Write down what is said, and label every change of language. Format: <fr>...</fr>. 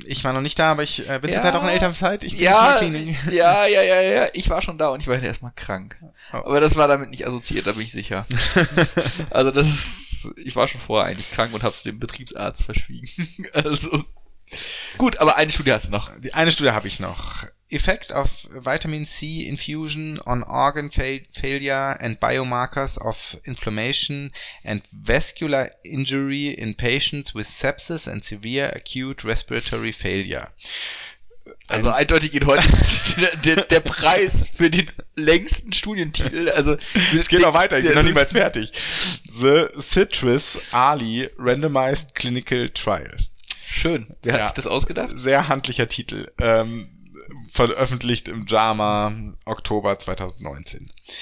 <de>Ich war noch nicht da, aber ich bin zurzeit auch in Elternzeit. Ich bin in der Klinik. Ja. Ich war schon da und ich war erstmal krank. Oh. Aber das war damit nicht assoziiert, da bin ich sicher. Also ich war schon vorher eigentlich krank und hab's dem Betriebsarzt verschwiegen. Also. Gut, aber eine Studie hast du noch. Eine Studie habe ich noch.</de> <en>Effect of Vitamin C Infusion on Organ Failure and Biomarkers of Inflammation and Vascular Injury in Patients with Sepsis and Severe Acute Respiratory Failure.</en> <de>Also eindeutig geht heute der Preis für den längsten Studientitel. Also es geht noch weiter, ich bin noch niemals fertig.</de> <en>The Citrus Ali Randomized Clinical Trial.</en> <de>Schön. Wer hat sich das ausgedacht? Sehr handlicher Titel. Veröffentlicht im JAMA Oktober 2019.</de>